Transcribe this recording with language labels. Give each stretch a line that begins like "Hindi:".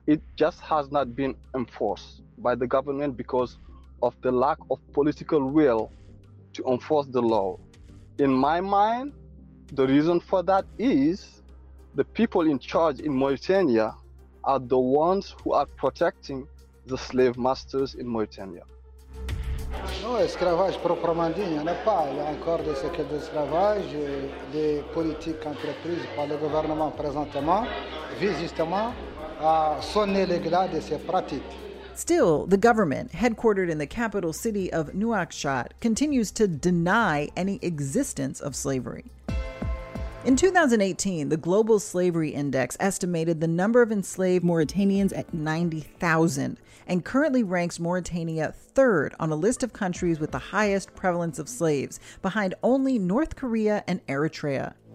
English: It just has not been enforced by the government because of the lack of political will to enforce the law. In my mind, the reason for that is the people in charge in Mauritania are the ones who are protecting the slave masters in Mauritania.
French: No esclavage proprement dit, il n'y en a pas. Il y a encore des séquelles d'esclavage. Les politiques entreprises par le gouvernement présentement visent justement à sonner les glas de ces pratiques.
English: Still, the government, headquartered in the capital city of Nouakchott, continues to deny any existence of slavery. In 2018, the Global Slavery Index estimated the number of enslaved Mauritanians at 90,000 and currently ranks Mauritania third on a list of countries with the highest prevalence of slaves, behind only North Korea and Eritrea.